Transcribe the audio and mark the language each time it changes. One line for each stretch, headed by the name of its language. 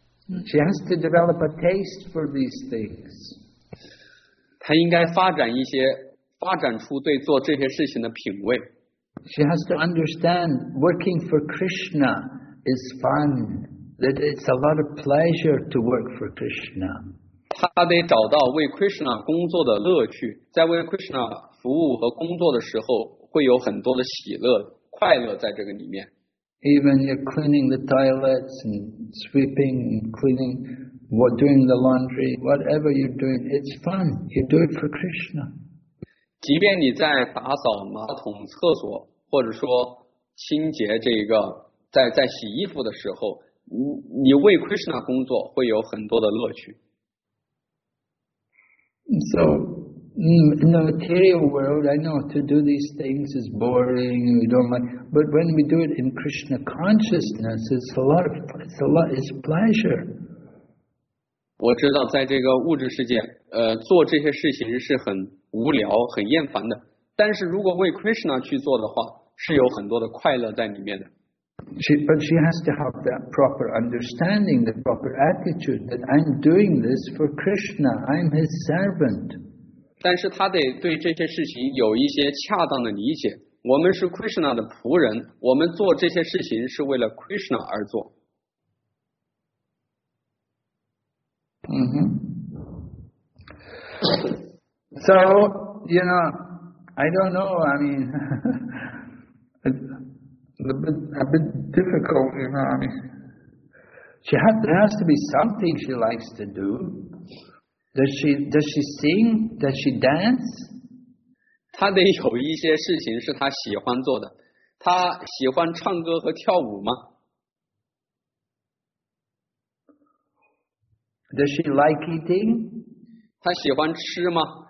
English: She has to develop a taste for these things.
Chinese: 她应该发展出对做这些事情的品味。
English: She has to understand working for Krishna is fun. That it's a lot of pleasure to work for Krishna.
Chinese: 她得找到为 Krishna 工作的乐趣，在为 Krishna 服务和工作的时候，会有很多的喜乐、快乐在这个里面。
English: Even you're cleaning the toilets and sweeping and cleaning, what doing the laundry, whatever you're doing, it's fun. You do it for Krishna.
Chinese: 即便你在打扫马桶、厕所，或者说清洁这个在洗衣服的时候，你为 Krishna 工作会有很多的乐趣。
English: So, in the material world, I know to do these things is boring. We don't like, but when we do it in Krishna consciousness, it's pleasure.
Chinese: 我知道在这个物质世界，做这些事情是很无聊、很厌烦的。但是如果为 Krishna 去做的话，是有很多的快乐在里面的。
English: But she has to have that proper understanding, the proper attitude that I'm doing this for Krishna. I'm his servant.
Chinese: 但是她得对这些事情有一些恰当的理解。我们是 Krishna 的仆人，我们做这些事情是为了 Krishna 而做。 Mm-hmm.
English: So, you know, I don't know, I mean, it's a bit difficult, you know, I mean, there has to be something she likes to do. Does she sing? Does she dance?
Chinese: 她得有一些事情是她喜欢做的。她喜欢唱歌和跳舞吗？
English: Does she like eating?
Chinese: 她喜欢吃吗？